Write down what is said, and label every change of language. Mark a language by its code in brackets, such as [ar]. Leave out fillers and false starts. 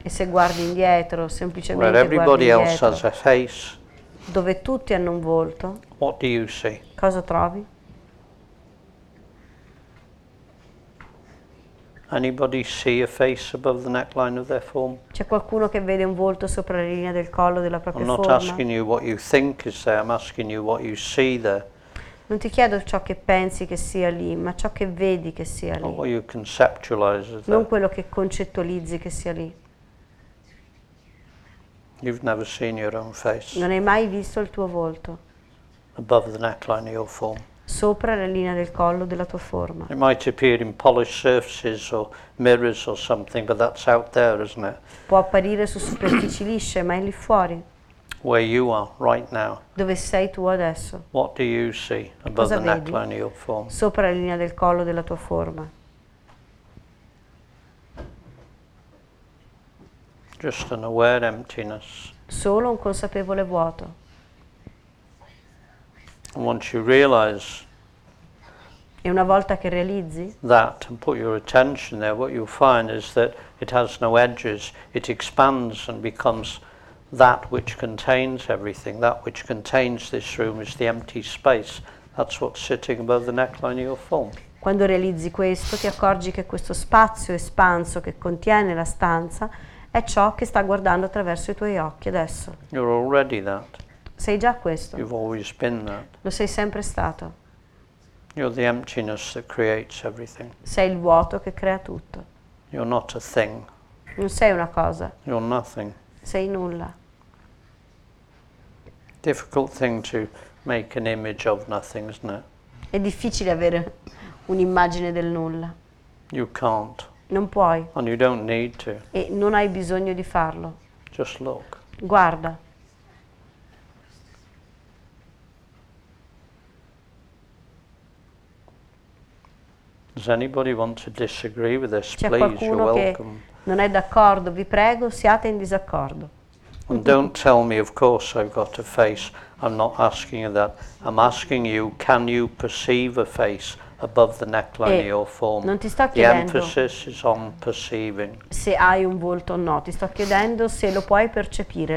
[it] E se guardi indietro, semplicemente [en] where everybody [it] guardi indietro. [en] Else has a face. [it] Dove tutti hanno un volto. [en] What do you see? [it] Cosa trovi? [en] Anybody see a face above the neckline of their form? [it] C'è qualcuno che vede un volto sopra la linea del collo della propria [en] I'm [it] forma? [en] I'm not asking you what you think is there, I'm asking you what you see there. [it] Non ti chiedo ciò che pensi che sia lì, ma ciò che vedi che sia lì. [en] Or what you conceptualize there. [it] Non quello che concettualizzi che sia lì. [en] You've never seen your own face. [it] Non hai mai visto il tuo volto. [en] Above the neckline of your form. [it] Sopra la linea del collo della tua forma. [en] It might appear in polished surfaces or mirrors or something, but that's out there, isn't it? [it] Può apparire su superfici lisce, ma è lì fuori. [en] Where you are right now. [it] Dove sei tu adesso? [en] What do you see above [it] Cosa [en] the neckline of your form? [it] Sopra la linea del collo della tua forma. [en] Just an aware emptiness. [it] Solo un consapevole vuoto. [en] And once you realize [it] e una volta che realizzi [en] that and put your attention there, what you'll find is that it has no edges. It expands and becomes that which contains everything. That which contains this room is the empty space. That's what's sitting above the neckline of your form. [it] Quando realizzi questo, ti accorgi che questo spazio espanso che contiene la stanza è ciò che sta guardando attraverso i tuoi occhi adesso. [en] You're already that. [it] Sei già questo. [en] You've always been that. [it] Lo sei sempre stato. [en] You're the emptiness that creates everything. [it] Sei il vuoto che crea tutto. [en] You're not a thing. [it] Non sei una cosa. [en] You're nothing. [it] Sei nulla. [en] Difficult thing to make an image of nothing, isn't it? [it] È difficile avere un'immagine del nulla. [en] You can't. [it] Non puoi. [en] And you don't need to. [it] E non hai bisogno di farlo. [en] Just look. [it] Guarda. [en] Does anybody want to disagree with this? [it] C'è qualcuno [en] please, you're welcome. [it] Che non è d'accordo, vi prego, siate in disaccordo. [en] And don't tell me, of course, I've got a face. I'm not asking you that. I'm asking you, can you perceive a face above the neckline of your form? [it] Non ti sto chiedendo. [en] The emphasis is on perceiving. [it] Se hai un volto o no. Ti sto chiedendo se lo puoi percepire.